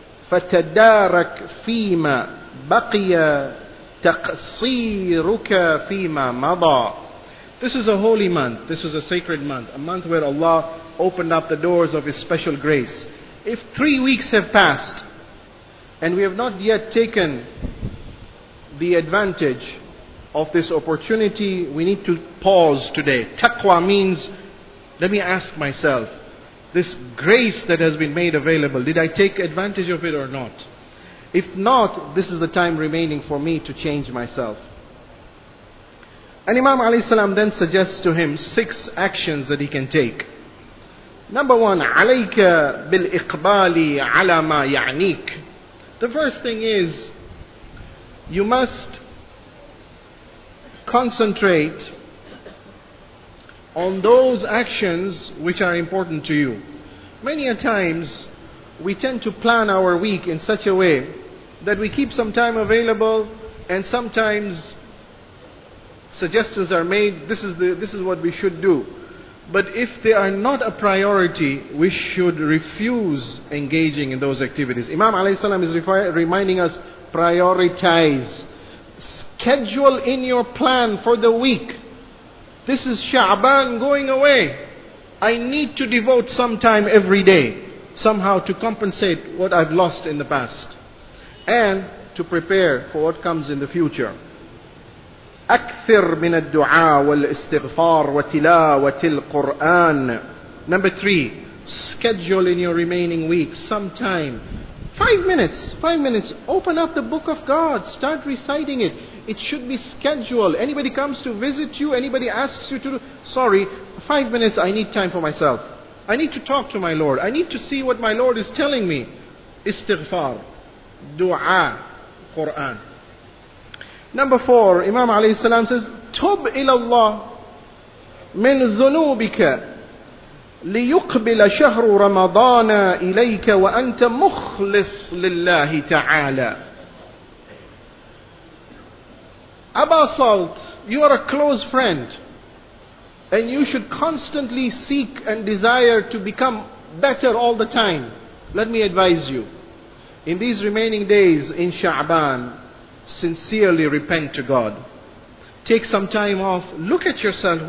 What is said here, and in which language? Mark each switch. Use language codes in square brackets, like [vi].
[ar] فتدارك فيما بقي تقصيرك فيما مضى. [en] This is a holy month. This is a sacred month. A month where Allah opened up the doors of His special grace. If 3 weeks have passed and we have not yet taken the advantage of this opportunity, we need to pause today. Taqwa means, let me ask myself, this grace that has been made available, did I take advantage of it or not? If not, this is the time remaining for me to change myself. And Imam alayhi salam then suggests to him 6 actions that he can take. Number 1, [ar] عَلَيْكَ بِالْإِقْبَالِ عَلَى مَا يَعْنِيكَ. [en] The first thing is, you must concentrate on those actions which are important to you. Many a times, we tend to plan our week in such a way that we keep some time available, and sometimes suggestions are made, this is what we should do. But if they are not a priority, we should refuse engaging in those activities. Imam alayhi salam is reminding us, prioritize. Schedule in your plan for the week. This is Sha'ban going away. I need to devote some time every day, somehow to compensate what I've lost in the past, and to prepare for what comes in the future. [ar] أكثر من الدعاء والاستغفار وتلاوة القرآن. [en] Number 3, schedule in your remaining week some time. 5 minutes, open up the book of God, start reciting it. It should be scheduled. Anybody comes to visit you, anybody asks you to do, sorry, 5 minutes, I need time for myself. I need to talk to my Lord. I need to see what my Lord is telling me. Istighfar, dua, Quran. Number 4, Imam alayhi salam says, [ar] Tub ila Allah min zunubika. ليقبل شهر رمضان إليك وأنت مخلص لله تعالى. [en] Abu Salt, you are a close friend, and you should constantly seek and desire to become better all the time. Let me advise you, in these remaining days in Sha'ban, sincerely repent to God. Take some time off. Look at yourself.